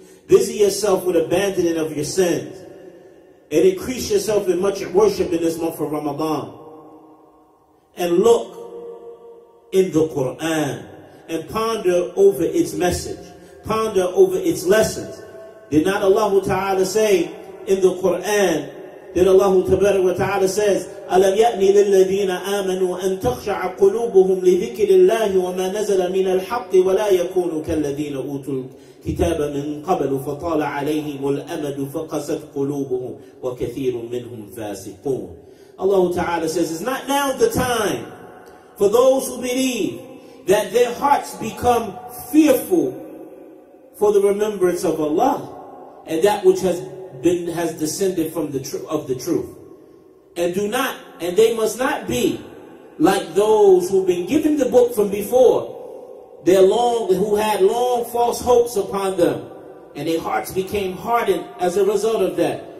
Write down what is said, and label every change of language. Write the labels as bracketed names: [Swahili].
[English] Busy yourself with abandoning of your sins. And increase yourself in much worship in this month of Ramadan. And look in the Quran and ponder over its message, ponder over its lessons. Did not Allah Ta'ala say in the Quran that Allah Ta'ala says, [Arabic] أَلَمْ يَأْنِ لِلَّذِينَ آمَنُوا أَن تَخْشَعَ قُلُوبُهُمْ لِذِكْرِ اللَّهِ وَمَا نَزَلَ مِنَ الْحَقِّ وَلَا يَكُونُ كَالَّذِينَ أُوتُوا الْكِتَابَ مِنْ قَبْلُ فَطَالَ عَلَيْهِمُ الْأَمَدُ فَقَسَتْ قُلُوبُهُمْ وَكَثِيرٌ مِّنْهُمْ فَاسِقُونَ. [English] Allah Ta'ala says, is not now the time for those who believe that their hearts become fearful for the remembrance of Allah and that which has descended from the truth. And they must not be like those who've been given the book from before, who had long false hopes upon them, and their hearts became hardened as a result of that.